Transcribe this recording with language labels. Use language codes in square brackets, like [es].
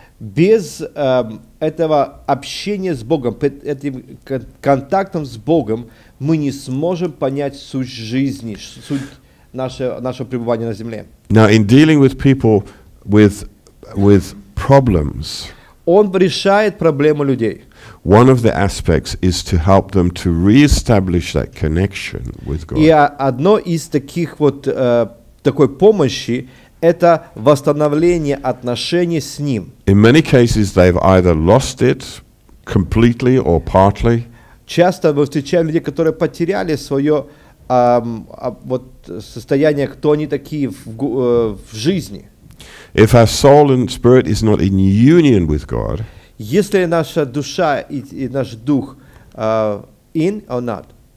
[ru] Без этого общения с Богом, этим контактом с Богом, мы не сможем понять суть жизни, суть нашего пребывания на земле. [en] Now, in dealing with people with problems, [ru] Он решает проблемы людей. [en] One of the aspects is to help them to reestablish that connection with God. [ru] И одно из таких вот такой помощи это восстановление отношений с Ним. [en] In many cases they've either lost it completely or partly. [ru] Часто мы встречаем людей, которые потеряли свое вот состояние, кто они такие в жизни. [en] If our soul and spirit is not in union with God, [ru] если наша душа и наш дух [en] in or not?